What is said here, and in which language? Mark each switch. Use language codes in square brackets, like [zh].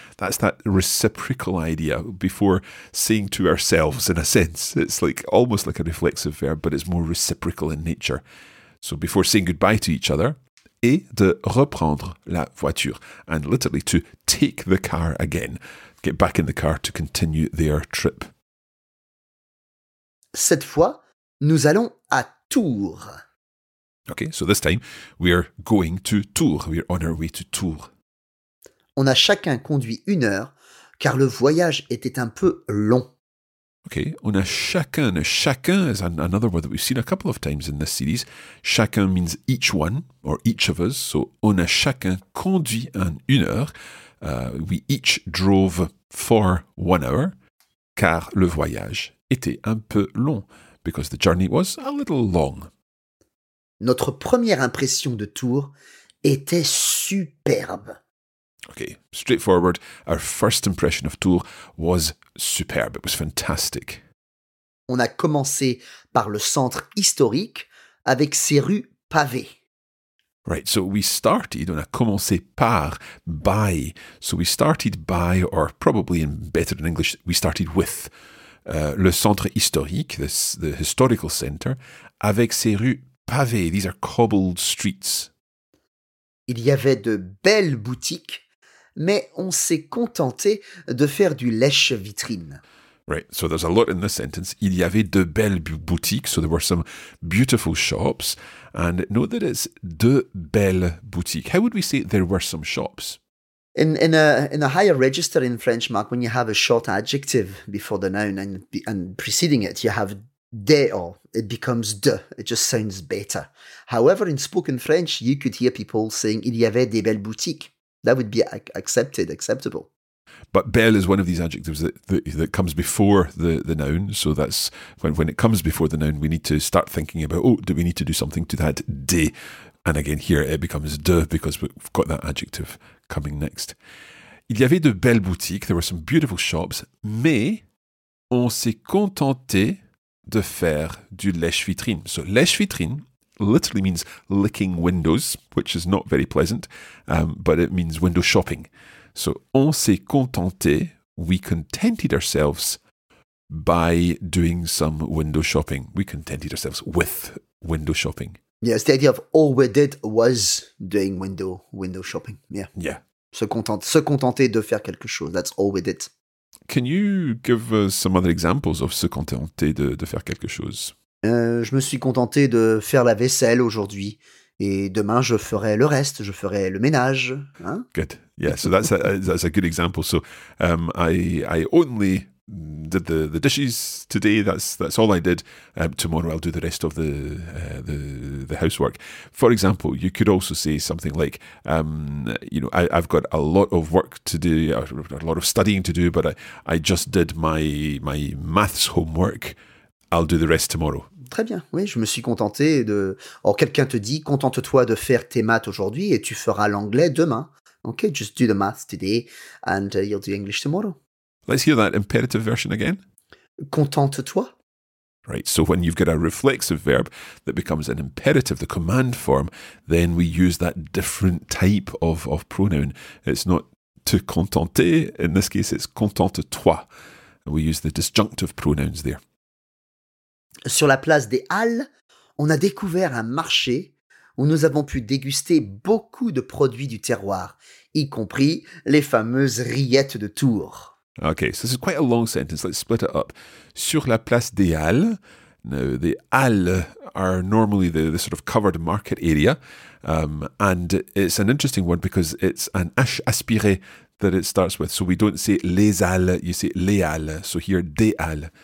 [en] That's that reciprocal idea, before saying to ourselves in a sense. It's like almost like a reflexive verb, but it's more reciprocal in nature. So before saying goodbye to each other, [fr] et de reprendre la voiture, [en] and literally to take the car again, get back in the car to continue their trip. [fr] Cette fois, nous allons à Tours. [en] Okay, so this time, we are going to Tours. We are on our way to Tours. [fr] On a chacun conduit une heure, car le voyage était un peu long. [en] Okay, [fr] on a chacun. [en] Chacun is another word that we've seen a couple of times in this series. Chacun means each one, or each of us. [fr] So, on a chacun conduit une heure. [en] We each drove for 1 hour, [fr] car le voyage était un peu long, [en] because the journey was a little long. [fr] Notre première impression de Tours était superbe. [en] Okay, straightforward. Our first impression of Tours was superb. It was fantastic. [fr] On a commencé par le centre historique avec ses rues pavées. [en] Right, so we started, [fr] on a commencé par, [en] by. So we started by, or probably in better in English, we started with. [fr] Le centre historique, [en] the historical center, [fr] avec ses rues pavés. [en] These are cobbled streets. [fr] Il y avait de belles boutiques, mais on s'est contenté de faire du lèche-vitrine. [en] Right, so there's a lot in this sentence. [fr] Il y avait de belles boutiques, [en] so there were some beautiful shops. And note that it's [fr] de belles boutiques. [en] How would we say there were some shops? In a higher register in French, Mark, when you have a short adjective before the noun and preceding it, you have des, or it becomes de. It just sounds better. However, in spoken French, you could hear people saying [fr] il y avait des belles boutiques. [en] That would be acceptable. But belle is one of these adjectives that comes before the noun. So that's when it comes before the noun, we need to start thinking about, oh, do we need to do something to that de? And again, here it becomes de because we've got that adjective coming next. [fr] Il y avait de belles boutiques. [en] There were some beautiful shops. [fr] Mais on s'est contenté de faire du lèche-vitrine. [en] So lèche-vitrine literally means licking windows, which is not very pleasant, but it means window shopping. So, [fr] on s'est contenté, [en] we contented ourselves by doing some window shopping. We contented ourselves with window shopping. Yes, the idea of all we did was doing window shopping. Yeah. Yeah. [fr] Se contenter de faire quelque chose. [en] That's all we did. Can you give us some other examples of [fr] se contenter de faire quelque chose? Je me suis contenté de faire la vaisselle aujourd'hui. Et demain, je ferai le reste. Je ferai le ménage. Hein? [en] Good. Yeah, so that's a good example. So I only did the dishes today. That's all I did. Tomorrow I'll do the rest of the housework. For example, you could also say something like, I've got a lot of work to do, a lot of studying to do, but I just did my maths homework. I'll do the rest tomorrow. [fr] Très bien, oui, je me suis contenté de... Or, quelqu'un te dit, contente-toi de faire tes maths aujourd'hui et tu feras l'anglais demain. [en] OK, just do the maths today and you'll do English tomorrow. Let's hear that imperative version again. [fr] Contente-toi. [en] Right, so when you've got a reflexive verb that becomes an imperative, the command form, then we use that different type of pronoun. It's not [fr] te contenter, [en] in this case it's [fr] contente-toi. [en] We use the disjunctive pronouns there. [fr] Sur la place des Halles, on a découvert un marché où nous avons pu déguster beaucoup de produits du terroir, y compris les fameuses rillettes de Tours. [en] Okay, so this is quite a long sentence. Let's split it up. [fr] Sur la place des Halles, [en] now the Halles are normally the sort of covered market area, and it's an interesting word because it's an H aspiré that it starts with. So we don't say les Halles, you say les Halles. So here, des Halles.